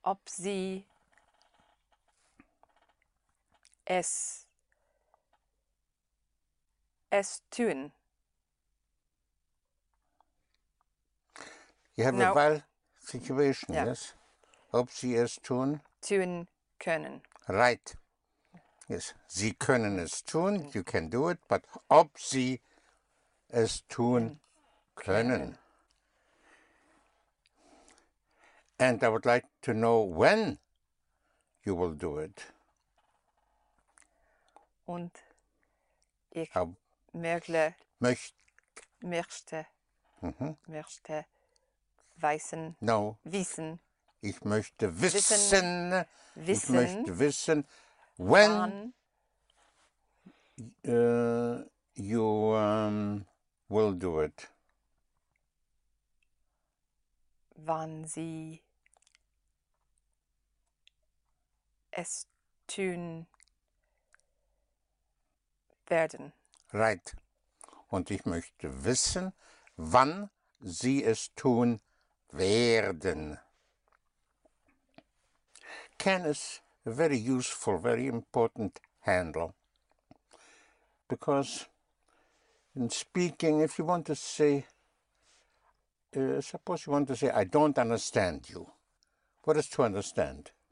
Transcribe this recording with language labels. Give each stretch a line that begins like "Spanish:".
German: Sie es es tun.
English: You have a Wahl situation, yeah.
German: Yes? Ob Sie es tun? Tun können.
English: Right.
German: Yes, Sie können es tun,
English: you can do it, but
German: ob Sie es tun können.
English: And I would like to know when you will do it.
German: Und ich möchte wissen.
English: No.
German: Wissen. Ich möchte wissen. Wissen. Ich möchte wissen,
English: when you will do it.
German: Wann Sie es tun werden.
English: Right.
German: Und ich möchte wissen, wann Sie es tun werden.
English: Can is a very useful, very important handle. Because in speaking, if you want to say, suppose you want to say, I don't understand you. What is to understand?